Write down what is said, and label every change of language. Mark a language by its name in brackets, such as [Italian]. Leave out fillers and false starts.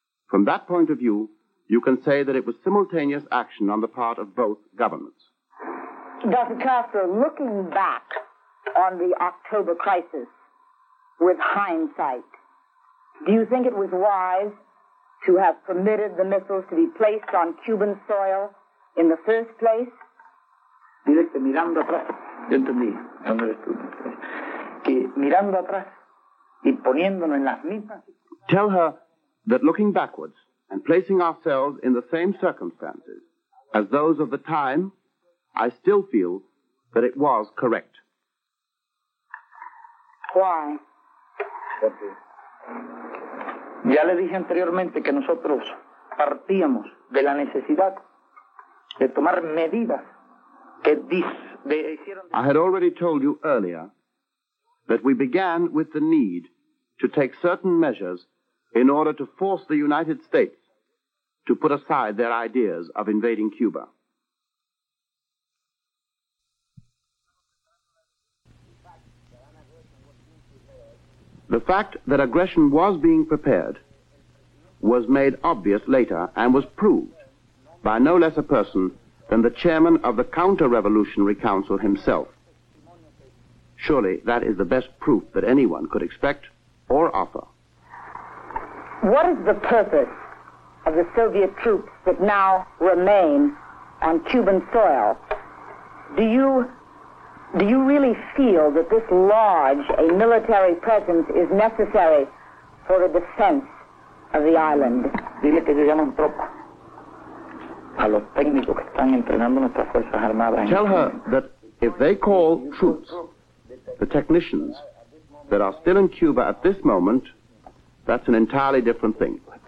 [English] From that point of view, you can say that it was simultaneous action on the part of both governments. Dr. Castro, looking back on the October crisis with hindsight, do you think it was wise to have permitted the missiles to be placed on Cuban soil in the first place? [Spanish] Dile que mirando atrás, yo entendí, ¿dónde eres tú? Que mirando atrás y poniéndonos en las mismas. [English] Tell her that looking backwards and placing ourselves in the same circumstances as those of the time, I still feel that it was correct. Why? [Spanish] Ya le dije anteriormente que nosotros partíamos de la necesidad de tomar medidas que hicieron. [English] I had already told you earlier that we began with the need to take certain measures in order to force the United States to put aside their ideas of invading Cuba. The fact that aggression was being prepared was made obvious later and was proved by no less a person than the chairman of the Counter-Revolutionary Council himself. Surely that is the best proof that anyone could expect or offer. What is the purpose of the Soviet troops that now remain on Cuban soil? Do you really feel that this large a military presence is necessary for the defense of the island? [Spanish] Dile que yo llamo a tropa. A los técnicos que están entrenando nuestras fuerzas armadas. [English] Tell her that if they call troops, the technicians that are still in Cuba at this moment, that's an entirely different thing.